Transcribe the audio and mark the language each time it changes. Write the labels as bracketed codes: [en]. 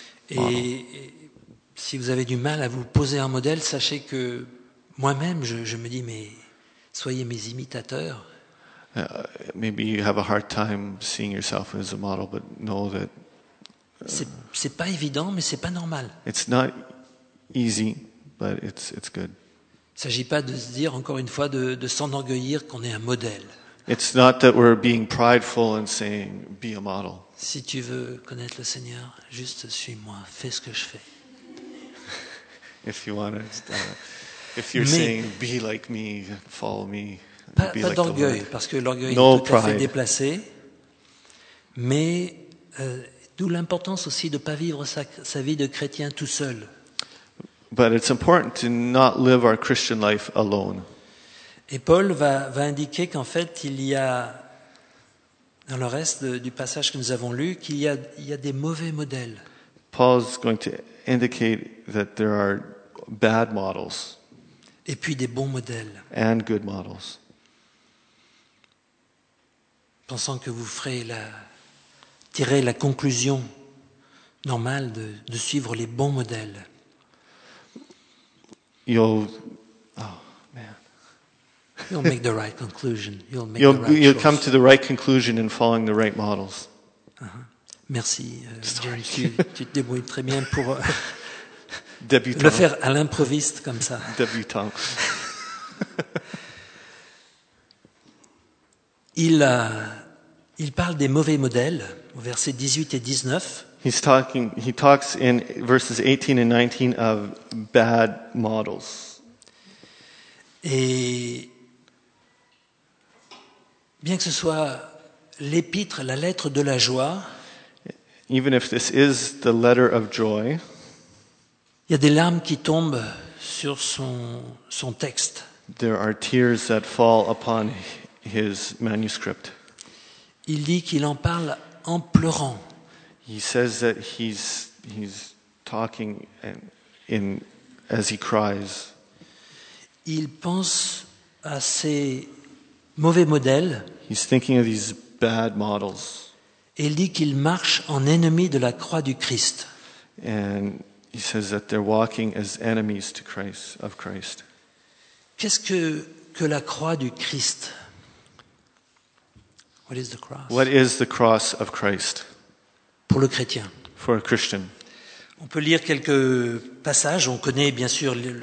[fr] Et si vous avez du mal à vous poser un modèle, sachez que moi-même, je me dis, mais soyez mes imitateurs. [en] Maybe you have a hard time seeing yourself as a model, but know that. [fr] C'est pas évident, mais c'est pas normal. [en] It's not easy, but it's good. [fr] Il ne s'agit pas de se dire encore une fois de s'enorgueillir qu'on est un modèle. [en] It's not that we're being prideful and saying be a model. [fr] Si tu veux connaître le Seigneur, juste suis-moi, fais ce que je fais. [en] If you want to, if you're saying be like me, follow me. [fr] Pas d'orgueil, parce que l'orgueil est tout à fait déplacé. Mais d'où l'importance aussi de ne pas vivre sa vie de chrétien tout seul. [en] But it's important to not live our Christian life alone. [fr] Et Paul va indiquer qu'en fait, il y a, dans le reste du passage que nous avons lu, qu'il y a des mauvais modèles. [en] Paul's going to indicate that there are bad models. [fr] Et puis des bons modèles. [en] And good models. [fr] Pensant que vous tirez la conclusion normale de suivre les bons modèles. [en] You'll make the right conclusion. You'll come to the right conclusion in following the right models. [fr] Uh-huh. Merci, James. Tu te débrouilles très bien pour le faire à l'improviste comme ça. Débutant. Il parle des mauvais modèles, au verset 18 et 19. [en] He talks in verses 18 and 19 of bad models. [fr] Et bien que ce soit l'épître, la lettre de la joie, [en] even if this is the letter of joy, [fr] il y a des larmes qui tombent sur son texte. [en] There are tears that fall upon his manuscript. [fr] Il dit qu'il en parle en pleurant. [en] He says that he's talking in as he cries. [fr] Il pense à ces mauvais modèles. [en] He's thinking of these bad models. [fr] Et il dit qu'il marche en ennemi de la croix du Christ. [en] And he says that they're walking as enemies to Christ of Christ. [fr] Qu'est-ce que la croix du Christ? [en] What is the cross? What is the cross of Christ? [fr] le chrétien. [en] For a Christian. [fr] On peut lire quelques passages, on connaît bien sûr